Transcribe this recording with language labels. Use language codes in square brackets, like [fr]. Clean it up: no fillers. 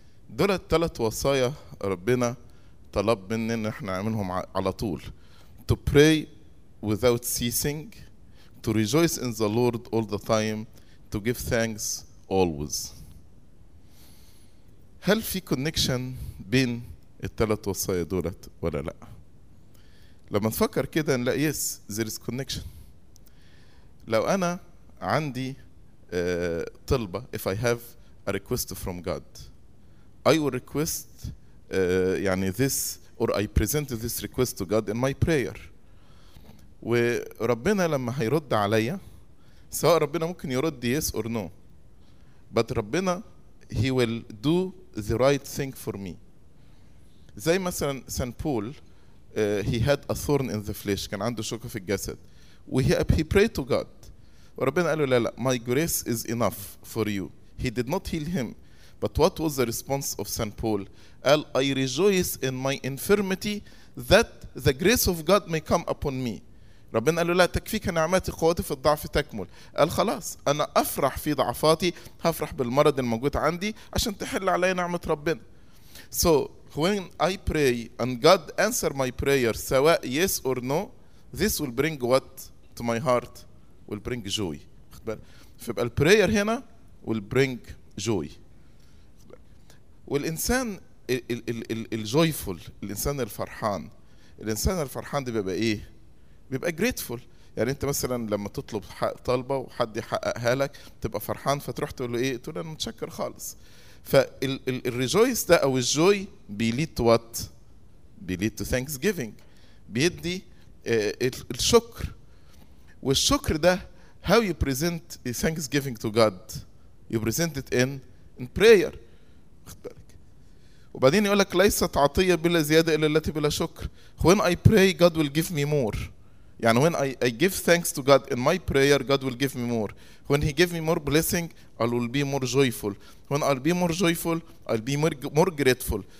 [ar] دول الثلاث وصايا ربنا طلب مننا ان احنا نعملهم على طول. [en] To pray without ceasing, to rejoice in the Lord all the time, to give thanks always. [ar] هل في connection بين الثلاث وصايا دولت ولا لا؟ لما نفكر كده نلاقي [en] yes, there is connection. [ar] لو انا عندي طلبة, [en] if I have a request from God, I will request يعني this, or I present this request to God in my prayer. [ar] وربنا لما هيرد عليا, سواء ربنا ممكن يرد [en] yes or no, but ربنا he will do the right thing for me. زي مثلا سان بول, he had a thorn in the flesh, [ar] كان عنده شوكة في الجسد, [en] he prayed to God, [ar] وربنا قال له لا, [en] my grace is enough for you. He did not heal him. But what was the response of St. Paul? I rejoice in my infirmity that the grace of God may come upon me. [ar] ربنا قال له لا, تكفيك نعمتي, قوتي في الضعف تكمل. قال خلاص, أنا أفرح في ضعفاتي, هفرح بالمرض الموجود عندي عشان تحل علي نعمة ربنا. [en] So when I pray and God answer my prayer, سواء yes or no, this will bring what to my heart? Will bring joy. [ar] فبقى البراير هنا [en] will bring joy. [ar] والإنسان الجويفل, الإنسان الفرحان, الإنسان الفرحان دي بيبقى إيه؟ بيبقى grateful. يعني أنت مثلا لما تطلب طلبة وحد يحققها لك تبقى فرحان, فتروح تقول له إيه؟ تقول أنا متشكر خالص. فالرجويس ده أو الجوي بيليد [en] to what? [ar] بيليد [en] to thanksgiving, [ar] بيدي الشكر. والشكر ده [en] how you present thanksgiving to God, you present it in prayer. [ar] وبعدين يقول لك ليست عطية بلا زيادة إلا التي بلا شكر. [en] When I pray, God will give me more. يعني when I give thanks to God in my prayer, God will give me more. When He give me more blessing, I will be more joyful. When I'll be more joyful, I'll be more grateful.